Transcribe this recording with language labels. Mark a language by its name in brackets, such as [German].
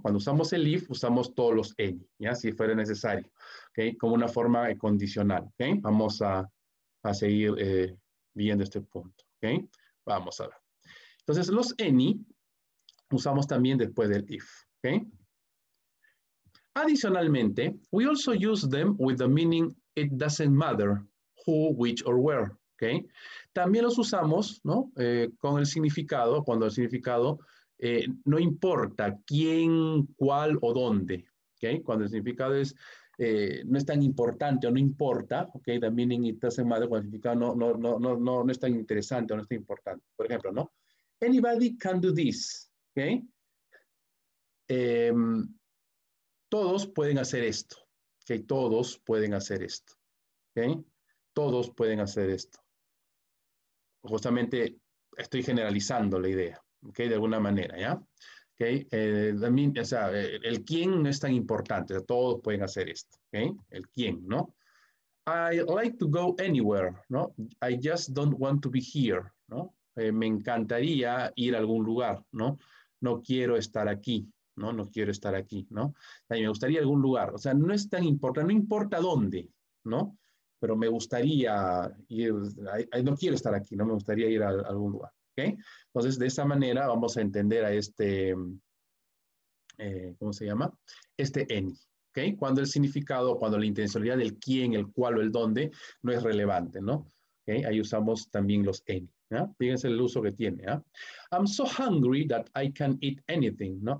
[Spanish] Cuando usamos el if, usamos todos los any, ¿ya? Si fuera necesario, ¿ok? Como una forma condicional, ¿ok? Vamos a seguir viendo este punto, ¿ok? Vamos a ver. Entonces, los any usamos también después del if, ¿ok? Adicionalmente, [English] we also use them with the meaning it doesn't matter who, which, or where. [Spanish] Okay. También los usamos, ¿no? Con el significado, cuando el significado no importa quién, cuál o dónde. Okay. Cuando el significado es no es tan importante o no importa, okay, también en Itase Madre, cuando el significado no es tan interesante o no es tan importante. Por ejemplo, ¿no? [English] Anybody can do this. Okay. [Spanish] Todos pueden hacer esto. Okay. Todos pueden hacer esto. Okay. Todos pueden hacer esto. Justamente estoy generalizando la idea, ¿ok? De alguna manera, ¿ya? ¿Ok? También, o sea, el quién no es tan importante, o sea, todos pueden hacer esto, ¿ok? El quién, ¿no? [English] I like to go anywhere, ¿no? I just don't want to be here, ¿no? [Spanish] Me encantaría ir a algún lugar, ¿no? No quiero estar aquí, ¿no? No quiero estar aquí, ¿no? También me gustaría algún lugar, o sea, no es tan importante, no importa dónde, ¿no? Pero me gustaría ir, no quiero estar aquí, no me gustaría ir a algún lugar, ¿ok? Entonces, de esa manera vamos a entender a este, ¿cómo se llama? Este any, ¿ok? Cuando el significado, cuando la intencionalidad del quién, el cuál o el dónde no es relevante, ¿no? ¿Ok? Ahí usamos también los any, ¿ya? Fíjense el uso que tiene, ¿ya? [English] I'm so hungry that I can eat anything, ¿no?